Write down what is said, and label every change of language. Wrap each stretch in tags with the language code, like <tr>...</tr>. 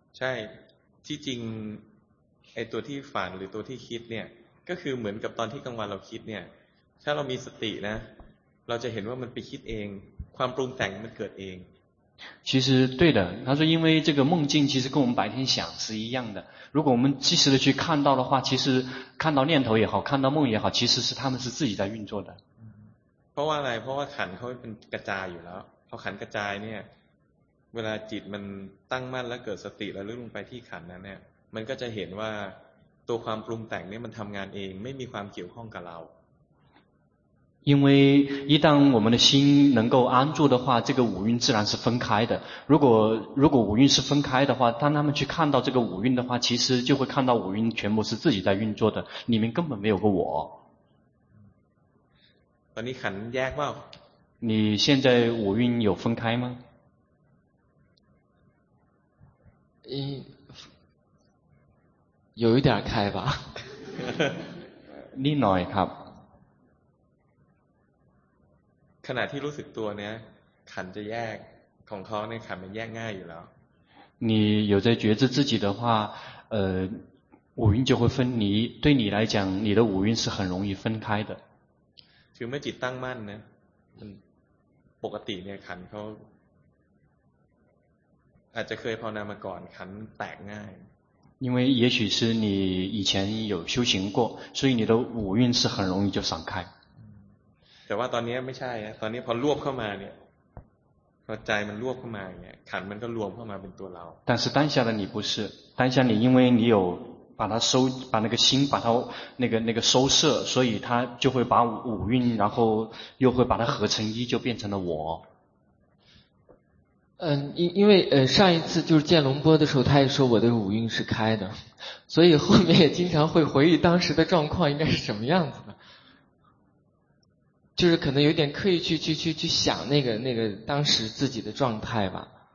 <th>ใช่ที่จริงไอ้ตัวที่ฝันหรือตัวที่คิดเนี่ยก็คือเหมือนกับตอนที่กลางวันเราคิดเนี่ยถ้าเรามีสตินะเราจะเห็นว่ามันไปคิดเองความปรุงแต่งมันเกิดเอง</th> <zh>其实对的他说因为这个梦境其实跟我们白天想是一样的如果我们及时的去看到的话其实看到念头也好看到梦也好其实是他们是自己在运作的</zh> <th>เพราะว่าอะไรเพราะว่าขันธ์เขาเป็นกระจายอยู่แล้วพอขันธ์กระจายเนี่ยเวลาจิตมันตั้งมั่นและเกิดสติระลึกลงไปที่ขันธ์นั้นเนี่ยมันก็จะเห็นว่าตัวความปรุงแต่งเนี่ยมันทำงานเองไม่มีความเกี่ยวข้องกับเรา</th> <zh>因为一旦我们的心能够安住的话这个五蕴自然是分开的如果五蕴是分开的话当他们去看到这个五蕴的话其实就会看到五蕴全部是自己在运作的里面根本没有个我你很厉害你现在五蕴有分开吗有一点开吧你哪一卡</zh> <th>ขณะที่รู้สึกตัวเนี้ยขันจะแยกของเขาเนี่ยขันมันแยกง่ายอยู่แล้ว</th> <zh>你有在觉知自己的话五蕴就会分离对你来讲你的五蕴是很容易分开的</zh> <th>คือเมื่อจิตตั้งมั่นนะมันปกติเนี่ยขันเขาอาจจะเคยภาวนามาก่อนขันแตกง่าย</th> <zh>因为也许是你以前有修行过所以你的五蕴是很容易就散开</zh> <th>แต่ว่าตอนนี้ไม่ใช่อะตอนนี้พอรวบเข้ามาเนี่ยพอใจมันรวบเข้ามาเนี่ยขันมันก็รวมเข้ามาเป็นตัวเรา</th> <zh>但是当下的你不是当下你因为你有把它收把那个心把它那个收摄所以它就会把五蕴然后又会把它合成一就变成了我因为上一次就是见龙波的时候他也说我的五蕴是开的所以后面也经常会回忆当时的状况应该是什么样子的就是可能有点刻意去想那个当时自己的状态吧。</zh>